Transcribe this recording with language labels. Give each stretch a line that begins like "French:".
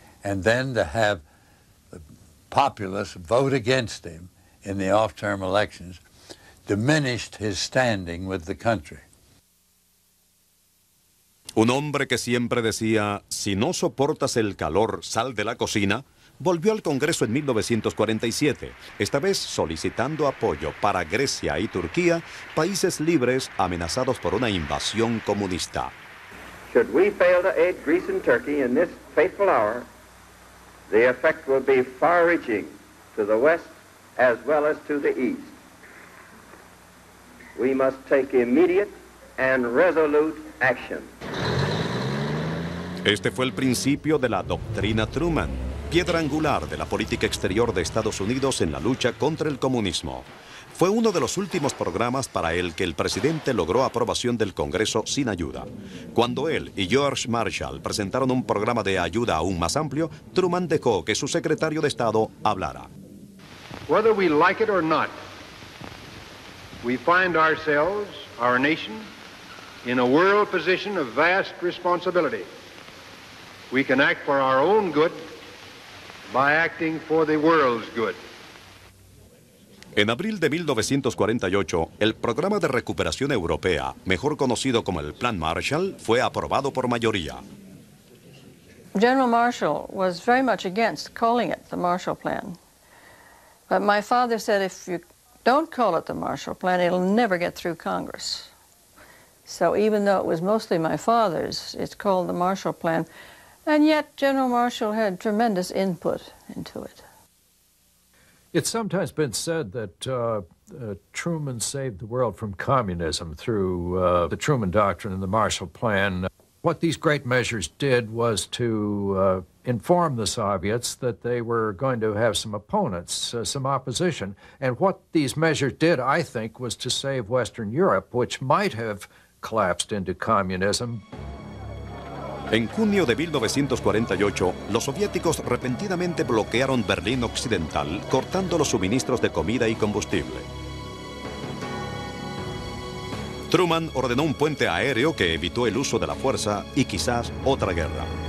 English: And then to have the populace vote against him in the off-term elections diminished his standing with the country.
Spanish: Un hombre que siempre decía, si no soportas el calor, sal de la cocina, volvió al Congreso en 1947, esta vez solicitando apoyo para Grecia y Turquía, países libres amenazados por una invasión comunista.
English: Should we fail to aid Greece and Turkey in this fateful hour, the effect will be far-reaching to the West as well as to the East. We must take immediate and resolute action.
Spanish: Este fue el principio de la doctrina Truman, piedra angular de la política exterior de Estados Unidos en la lucha contra el comunismo. Fue uno de los últimos programas para el que el presidente logró aprobación del Congreso sin ayuda. Cuando él y George Marshall presentaron un programa de ayuda aún más amplio, Truman dejó que su secretario de Estado hablara.
English: Whether we like it or not, we find ourselves, our nation, in a world position of vast responsibility. We can act for our own good by acting for the world's good.
Spanish: En abril de 1948, el Programa de Recuperación Europea, mejor conocido como el Plan Marshall, fue aprobado por mayoría.
English: General Marshall was very much against calling it the Marshall Plan. But my father said, if you don't call it the Marshall Plan, it'll never get through Congress. So even though it was mostly my father's, it's called the Marshall Plan. And yet, General Marshall had tremendous input into it. It's sometimes been said that Truman saved the world from communism through the Truman Doctrine and the Marshall Plan. What these great measures did was to inform the Soviets that they were going to have some opponents, some opposition. And what these measures did, I think, was to save Western Europe, which might have collapsed into communism.
Spanish: En junio de 1948, los soviéticos repentinamente bloquearon Berlín Occidental, cortando los suministros de comida y combustible. Truman ordenó un puente aéreo que evitó el uso de la fuerza y quizás otra guerra.